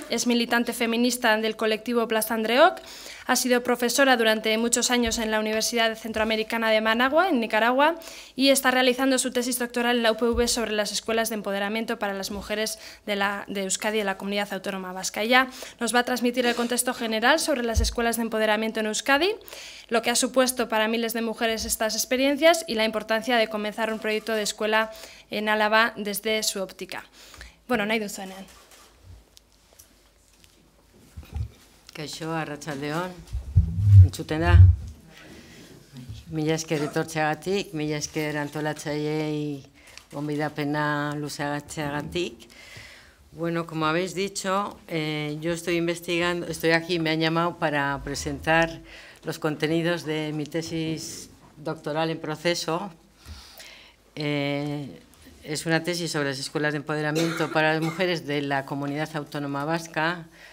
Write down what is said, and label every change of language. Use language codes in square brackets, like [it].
[es] Es militante feminista del colectivo Plaza Andreok. Ha sido profesora durante muchos años en la Universidad Centroamericana de Managua, en Nicaragua, y está realizando su tesis doctoral en la UPV sobre las escuelas de empoderamiento para las mujeres de Euskadi y de la Comunidad Autónoma Vasca. Ella nos va a transmitir el contexto general sobre las escuelas de empoderamiento en Euskadi, lo que ha supuesto para miles de mujeres estas experiencias y la importancia de comenzar un proyecto de escuela en Álava desde su óptica. [eu] Bueno, nahi duzuenean. Kaixo, arratsaldeon, entzuten da. Mila esker etortzeagatik, mila esker antolatzaileei gonbidapena luzeagatzeagatik. [es] Bueno, como habéis dicho, yo estoy investigando, estoy aquí, me han llamado para presentar los contenidos de mi tesis doctoral en proceso. Es una tesis sobre las escuelas de empoderamiento para las mujeres de la Comunidad Autónoma Vasca.